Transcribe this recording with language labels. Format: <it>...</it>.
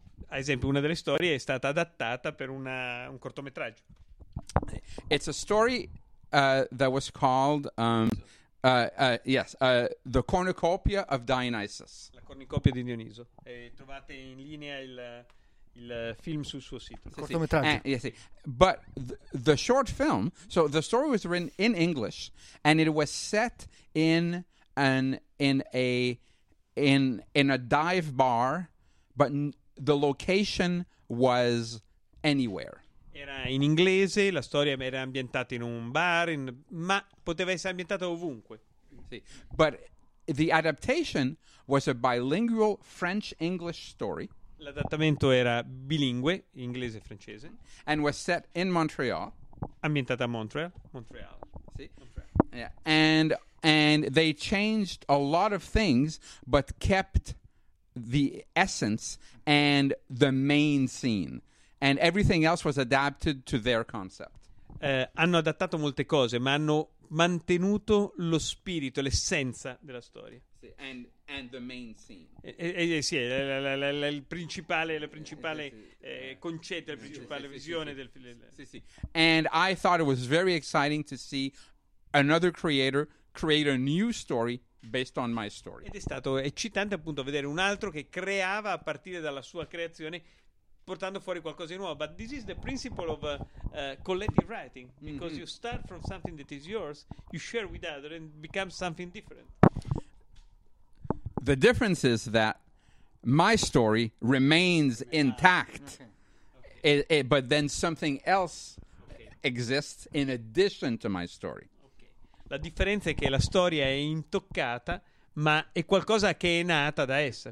<it>Ad esempio, una delle storie è stata adattata per un cortometraggio.</it> <en>It's a story that was called The Cornucopia of Dionysus.</en> <it>La cornucopia di Dioniso. E trovate in linea il film sul suo sito. Cortometraggio.</it> <en>But the short film, so the story was written in English and it was set in a dive bar, but the location was anywhere.</en> <it>Era in inglese, la storia era ambientata in un bar, ma poteva essere ambientata ovunque. Sì.</it> <en>But the adaptation was a bilingual French-English story.</en> <it>L'adattamento era bilingue, inglese e francese.</it> <en>And was set in Montreal.</en> <it>Ambientata a Montreal. Montreal. Sì. Montreal. Yeah.</it> <en>And they changed a lot of things, but kept the essence and the main scene. And everything else was adapted to their concept.</en> <it>Hanno adattato molte cose, ma hanno mantenuto lo spirito, l'essenza della storia.</it> <en>Sì, and the main scene.</en> <it>Sì, il principale concetto, la principale visione.</it> <en>And I thought it was very exciting to see another creator create a new story based on my story.</en> <it>Ed è stato eccitante appunto vedere un altro che creava a partire dalla sua creazione portando fuori qualcosa di nuovo.</it> <en>But this is the principle of collective writing, because you start from something that is yours, you share with others and become something different. The difference is that my story remains intact. But then something else exists in addition to my story.</en> <it>La differenza è che la storia è intoccata, ma è qualcosa che è nata da essa.</it>